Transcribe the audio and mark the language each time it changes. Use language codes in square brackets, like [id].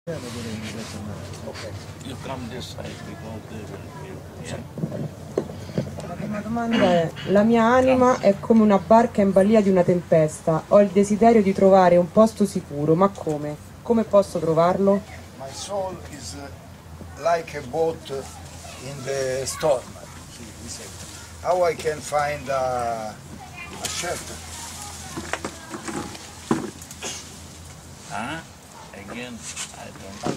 [en] Yeah, they're getting this and that. Okay. You come this way, we go there. Yeah. [it] Domanda è: la mia anima è come una barca in balia di una tempesta. Ho il desiderio di trovare un posto sicuro, ma come? Come posso trovarlo? [en] My soul is like a boat in the storm. He said, how I can find a shelter? Again, I don't.